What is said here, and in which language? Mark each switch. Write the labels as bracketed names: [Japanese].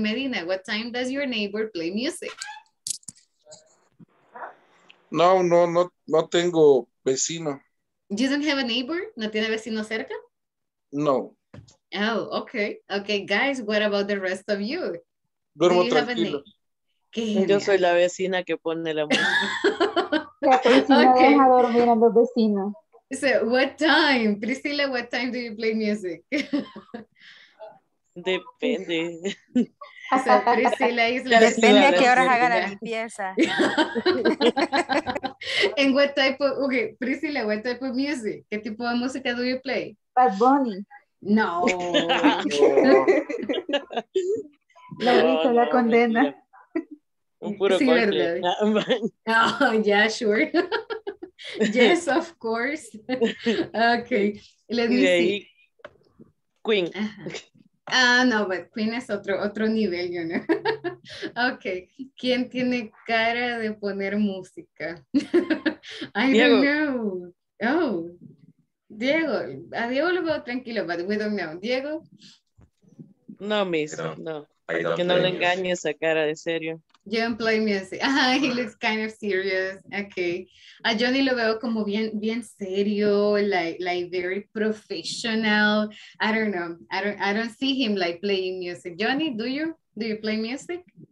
[English] Medina, what time does your neighbor play music? [Spanish] No, no, no, no tengo vecino. [English] You don't have a neighbor? [Spanish] ¿No tiene vecino cerca? No. [English] Oh, okay. Okay, guys, what about the rest of you? [Spanish] Duermo tranquilo. Qué genial. Yo soy la vecina que pone la música. La vecina okay. Deja dormir a los vecinos. [English] So, what time? Priscila, what time do you play music? [Spanish] Depende. [English] So, Priscila is [Spanish] la depende a qué hora haga la limpieza. [English] And what type of, okay, Priscila, what type of music? [Spanish] ¿Qué tipo de música [English] do you play? [Spanish] Bad Bunny. No. La risa, la condena. Un puro sí, verdad. [English] Oh, yeah, sure. Yes, of course. Okay, let me see. Queen. Ah, no, but Queen [Spanish] es otro nivel, [English] you know. [Spanish] Okay, ¿quién tiene cara de poner música? [English] I Diego. Don't know. [Spanish] Oh, Diego. A Diego lo veo tranquilo, [English] but we don't know. [Spanish] Diego. No, miss, no. No. Que no le engañe esa cara de serio. [English] You don't play music. He looks kind of serious. Okay. [Spanish] A Johnny lo veo como bien serio, [English] like very professional. I don't know. I don't see him like playing music. Johnny, do you play music?